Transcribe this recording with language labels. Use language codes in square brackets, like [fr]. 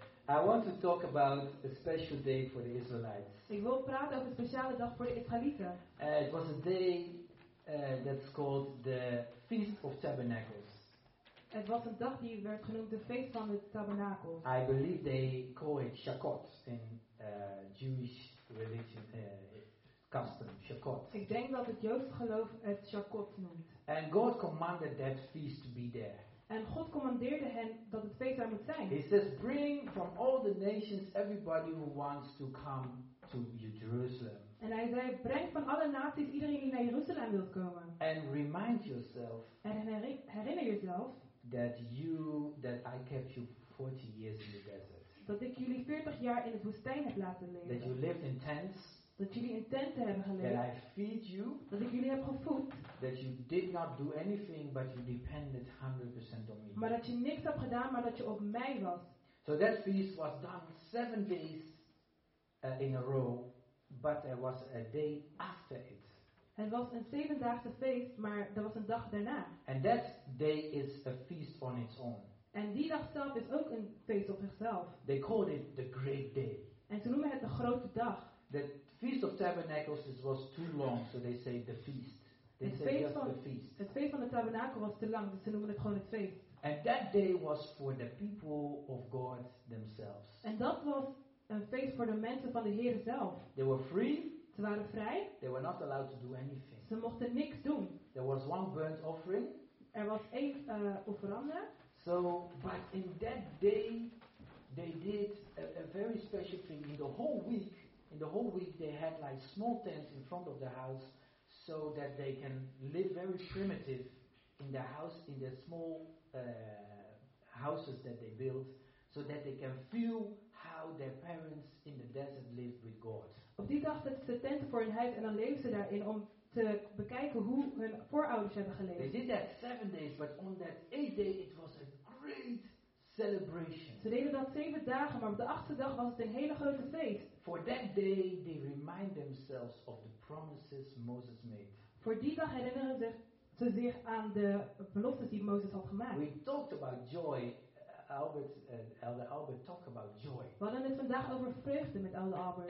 [en] I want to talk about a special day for the Israelites. [nl] Ik wil praten over een speciale dag voor de Israëlieten. [en] It was a day that's called the Feast of Tabernacles. [nl] Het was een dag die werd genoemd de feest van de tabernakels. [en] I believe they call it Shacot in Jewish religion. Custom, Shacot. [nl] Ik denk dat het Joodse geloof het Shacot noemt. [en] And God commanded that feast to be there. [nl] En God commandeerde hen dat het feest daar moet zijn. [en] He says, bring from all the nations everybody who wants to come to Jerusalem. [nl] En hij zei, breng van alle naties iedereen die naar Jeruzalem wilt komen. [en] And remind yourself. [nl] En herinner jezelf. [en] That I kept you 40 years in the desert. [nl] Dat ik jullie 40 jaar in de woestijn heb laten leven. [en] That you lived in tents. [nl] Dat jullie in tenten hebben geleefd. [en] That I feed you. [nl] Dat ik jullie heb gevoed. [en] That you did not do anything, but you depended 100% on me. [nl] Maar dat je niks hebt gedaan, maar dat je op mij was. [en] So that feast was done 7 days in a row, but there was a day after it. [nl] Het was een 7-daagse feest, maar er was een dag daarna. [en] And that day is a feast on its own. [nl] En die dag zelf is ook een feest op zichzelf. [en] They called it the great day. [nl] En ze noemen het de grote dag. [en] The Feast of Tabernacles was too long, so they say the feast. They [nl] het [en] say [nl] feest [en] just [nl] van, [en] the feast. [nl] Het feest van de tabernakel was te lang, dus ze noemen het gewoon het feest. [en] And that day was for the people of God themselves. [nl] En dat was een feest voor de mensen van de Heer zelf. [en] They were free. [nl] Ze waren vrij. [en] They were not allowed to do anything. [nl] Ze mochten niks doen. [en] There was one burnt offering. [nl] Er was één offerande. [en] So, but in that day, they did a very special thing. In the whole week, they had like small tents in front of the house, so that they can live very primitive in the house, in the small houses that they built, so that they can feel how their parents in the desert lived with God. [nl] Op die dag zetten ze tenten voor hun huis en dan leven ze daarin om te bekijken hoe hun voorouders hebben geleefd. [en] They did that 7 days, but on that 8th day it was a great celebration. [nl] Ze deden dat 7 dagen, maar op de 8e dag was het een hele grote feest. [en] For that day they remind themselves of the promises Moses made. [nl] Voor die dag herinneren ze zich aan de beloftes die Mozes had gemaakt. [en] We talked about joy. Albert, Elder Albert, talk about joy. [nl] We hadden het vandaag over vreugde met Elder Albert.